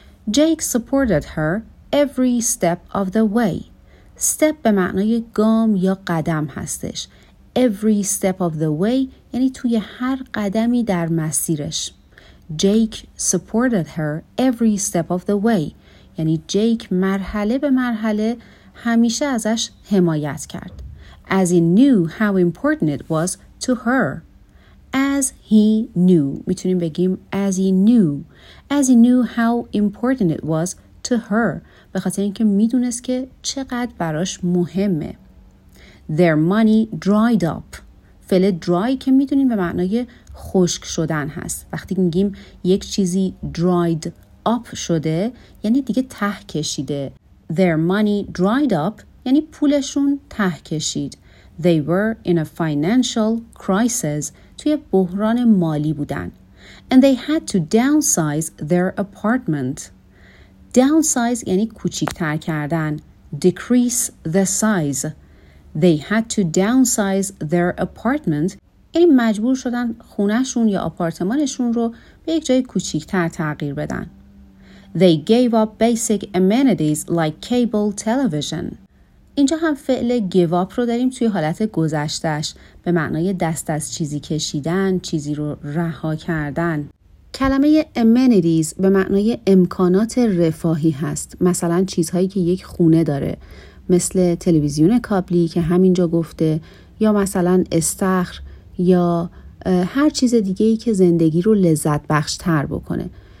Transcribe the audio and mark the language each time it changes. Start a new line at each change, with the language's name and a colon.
English: Jake supported her every step of the way.
Persian: Step به معنای گام یا قدم هستش.
English: Every step of the way
Persian: یعنی توی هر قدمی در مسیرش.
English: Jake supported her every step of the way،
Persian: یعنی Jake مرحله به مرحله همیشه ازش حمایت کرد.
English: As he knew how important it was to her. As he knew،
Persian: میتونیم بگیم
English: as he knew how important it was to her،
Persian: به خاطر اینکه میدونست که چقدر براش مهمه.
English: Their money dried up.
Persian: فعل dry که میدونیم به معنای خشک شدن هست. وقتی میگیم یک چیزی dried up شده یعنی دیگه ته کشیده.
English: Their money dried up
Persian: یعنی پولشون ته کشید.
English: They were in a financial crisis،
Persian: توی بحران مالی بودن.
English: And they had to downsize their apartment.
Persian: Downsize یعنی کوچیک‌تر کردن.
English: Decrease the size. They had to downsize their apartment.
Persian: یعنی مجبور شدن خونه‌شون یا آپارتمانشون رو به یک جای کوچیک‌تر تغییر بدن.
English: They gave up basic amenities like cable television.
Persian: اینجا هم فعل give up رو داریم توی حالت گذشتش به معنای دست از چیزی کشیدن، چیزی رو رها کردن. کلمه amenities به معنای امکانات رفاهی هست. مثلا چیزهایی که یک خونه داره. مثل تلویزیون کابلی که همینجا گفته یا مثلا استخر یا هر چیز دیگه‌ای که زندگی رو لذت بخش تر بکنه.